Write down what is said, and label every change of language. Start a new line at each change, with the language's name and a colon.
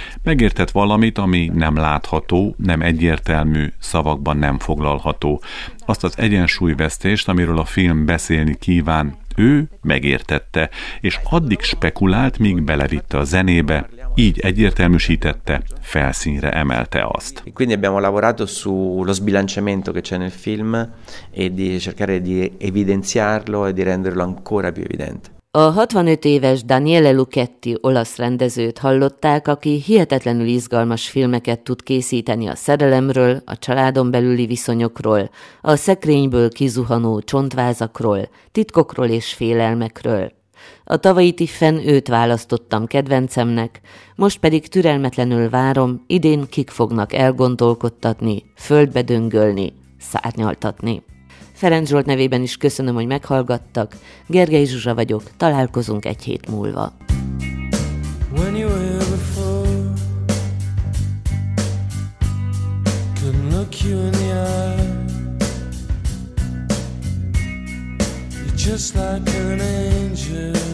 Hungarian: Megértett valamit, ami nem látható, nem egyértelmű, szavakban nem foglalható. Azt az egyensúlyvesztést, amiről a film beszélni kíván, ő megértette, és addig spekulált, míg belevitte a zenébe, Így egyértelműsítette, felszínre emelte azt.
Italian: Quindi abbiamo lavorato sullo sbilanciamento che c'è nel film e di cercare di evidenziarlo e di renderlo ancora più evidente.
Hungarian: A 65 éves Daniele Lucchetti olasz rendezőt hallották, aki hihetetlenül izgalmas filmeket tud készíteni a szerelemről, a családon belüli viszonyokról, a szekrényből kizuhanó csontvázakról, titkokról és félelmekről. A tavalyi TIFF-en őt választottam kedvencemnek, most pedig türelmetlenül várom, idén kik fognak elgondolkodtatni, földbe döngölni, szárnyaltatni. Ferenc Zsolt nevében is köszönöm, hogy meghallgattak. Gergely Zsuzsa vagyok, találkozunk egy hét múlva.
English: When you were before, couldn't look you in the eye. You're just like an angel.